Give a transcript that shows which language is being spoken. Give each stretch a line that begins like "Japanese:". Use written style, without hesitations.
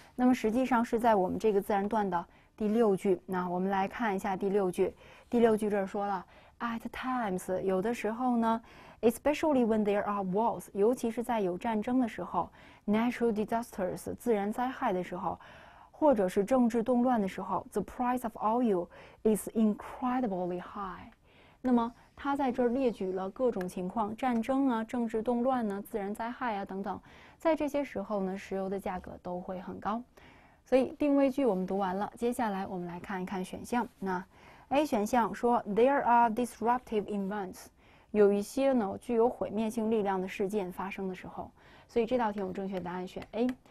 Chinese: 那么实际上是在我们这个自然段的第六句。那我们来看一下第六句，第六句这儿说了，
English: at times
Chinese: 有的时候呢，
English: especially when there are wars，
Chinese: 尤其是在有战争的时候，
English: natural disasters
Chinese: 自然灾害的时候。或者是政治动乱的时候，
English: the price of oil is incredibly high。
Chinese: 那么，他在这儿列举了各种情况，战争啊、政治动乱呢、自然灾害啊等等，在这些时候呢，石油的价格都会很高。所以定位句我们读完了，接下来我们来看一看选项。那 A 选项说
English: there are disruptive events，
Chinese: 有一些呢具有毁灭性力量的事件发生的时候，所以这道题我们正确答案选 A。